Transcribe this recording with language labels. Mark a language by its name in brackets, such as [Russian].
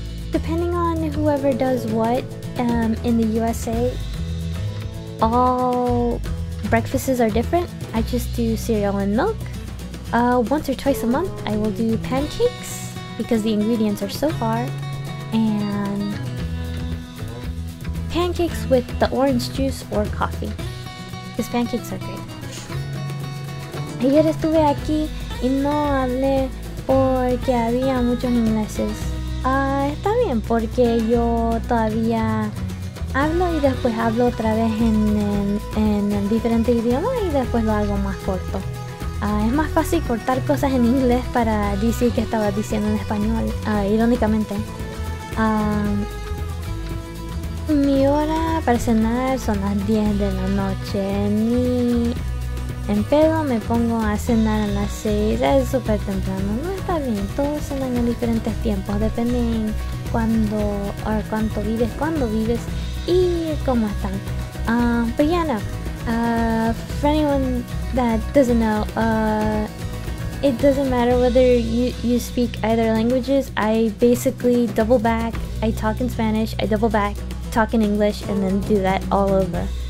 [English] Depending on whoever does what, in the USA, all breakfasts are different. I just do cereal and milk. Once or twice a month, I will do pancakes because the ingredients are so hard. And pancakes with the orange juice or coffee. Because pancakes are great. [Spanish] Ayer estuve aquí y no hablé porque había muchos ingleses. Está bien, porque yo todavía hablo y después hablo otra vez en diferente idioma y después lo hago más corto. Es más fácil cortar cosas en inglés para decir que estaba diciendo en español, irónicamente. Mi hora para cenar son las 10 de la noche. En pedo me pongo a cenar a las 6, es súper temprano. No está bien, todos cenan en diferentes tiempos. Depende en cuándo, o cuánto vives, cuándo vives y cómo están. [English] But yeah, no. For anyone that doesn't know, it doesn't matter whether you speak either languages. I basically double back, I talk in Spanish, I double back, talk in English, and then do that all over.